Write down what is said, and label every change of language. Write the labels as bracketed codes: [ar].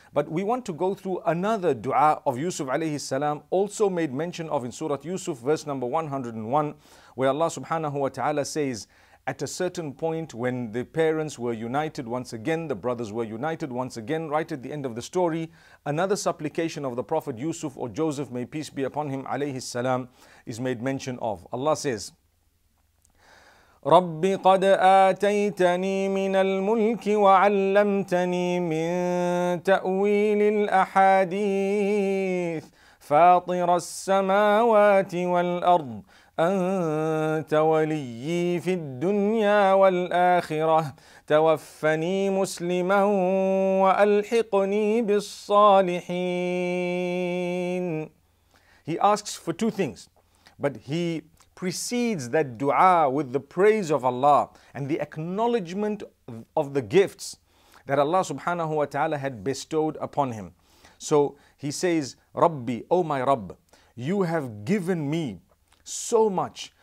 [en] But we want to go through another dua of Yusuf alayhi salam, also made mention of in Surah Yusuf, verse number 101, where Allah subhanahu wa ta'ala says, at a certain point when the parents were united once again, the brothers were united once again, right at the end of the story, another supplication of the Prophet Yusuf or Joseph, may peace be upon him, alayhi salam, is made mention of. Allah says, [ar] رَبِّ قَدْ آتَيْتَنِي مِنَ الْمُلْكِ وَعَلَّمْتَنِي مِنْ تَأْوِيلِ الْأَحَادِيثِ فَاطِرَ السَّمَاوَاتِ وَالْأَرْضِ أنت وليي في الدنيا والآخرة توفني مسلما وألحقني بالصالحين. [en] He asks for two things, but he precedes that dua with the praise of Allah and the acknowledgement of the gifts that Allah subhanahu wa ta'ala had bestowed upon him. So he says, Rabbi, O my Rabb, you have given me so much.